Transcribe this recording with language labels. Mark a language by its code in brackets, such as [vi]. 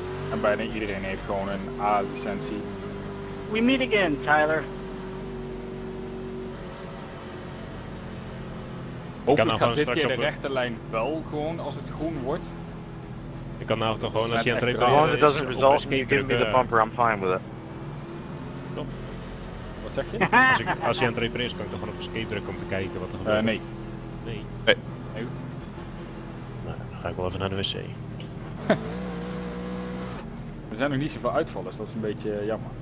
[nl] En bijna iedereen heeft gewoon een A-licentie. [en] We meet again, Tyler. [nl] Ik kan nou gewoon dit keer de rechte lijn wel gewoon als het groen wordt. Ik kan nou toch gewoon als je aan het repareren is. [en] As long as it doesn't result in you giving me the bumper, I'm fine with it. [nl] Stop. Wat zeg je? Als je aan het repareren is, kan ik toch gewoon op escape drukken om te kijken wat er gebeurt. Nee. Nee. Nou, dan ga ik wel even naar de wc. We zijn nog niet zoveel uitvallers, dat is een beetje jammer.